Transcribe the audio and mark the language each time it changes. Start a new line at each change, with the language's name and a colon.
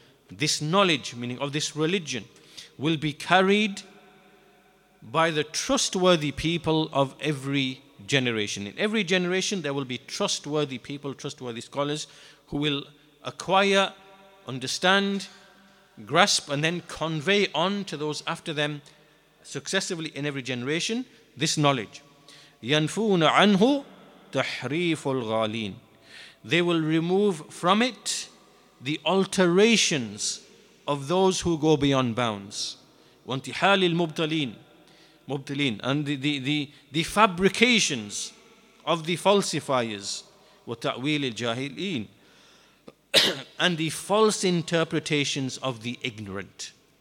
English: This knowledge, meaning of this religion, will be carried by the trustworthy people of every generation. In every generation, there will be trustworthy people, trustworthy scholars, who will acquire, understand, grasp, and then convey on to those after them, successively in every generation, this knowledge.
Arabic: يَنْفُونَ عَنْهُ تَحْرِيفُ الْغَالِينَ.
English: They will remove from it the alterations of those who go beyond bounds.
Arabic: وَانْتِحَالِ الْمُبْتَلِينَ. مُبْتَلِينَ.
English: And the fabrications of the falsifiers.
Arabic: وَتَأْوِيلِ الْجَاهِلِينَ.
English: And the false interpretations of the ignorant.